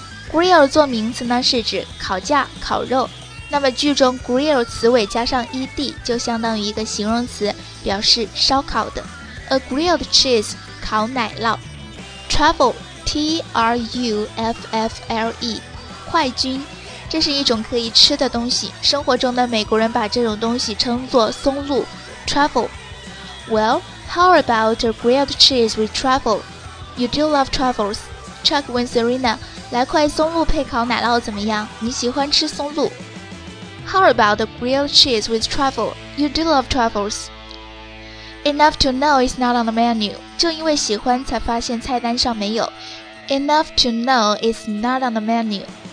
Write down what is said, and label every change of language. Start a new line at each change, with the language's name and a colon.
Chinese: Grill 做名词呢是指烤架烤肉那么句中 grill 词尾加上 ed 就相当于一个形容词表示烧烤的 A grilled cheese 烤奶酪 Truffle T-R-U-F-F-L-E 坏菌这是一种可以吃的东西生活中的美国人把这种东西称作松露 Truffle
English: WellHow about a grilled cheese with truffle? You do love truffles.
Chinese: Chuck 问 Serena, 来块松露配烤奶酪怎么样？你喜欢吃松露。
English: How about a grilled cheese with truffle? You do love truffles. Enough to know is not on the menu.
Chinese: 就因为喜欢才发现菜单上没有。
English: Enough to know is not on the menu.